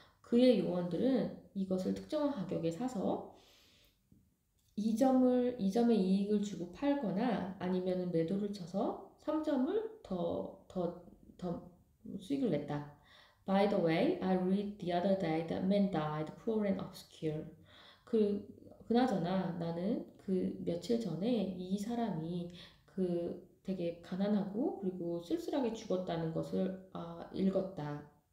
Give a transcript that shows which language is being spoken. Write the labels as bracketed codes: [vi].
[ko] 그의 요원들은 이것을 특정한 가격에 사서 2점의 이익을 주고 팔거나 아니면 매도를 쳐서 3점을 더 수익을 냈다. [en] By the way, I read the other day that men died poor and obscure. [ko] 그나저나 나는 그 며칠 전에 이 사람이 그 되게 가난하고 그리고 쓸쓸하게 죽었다는 것을 읽었다.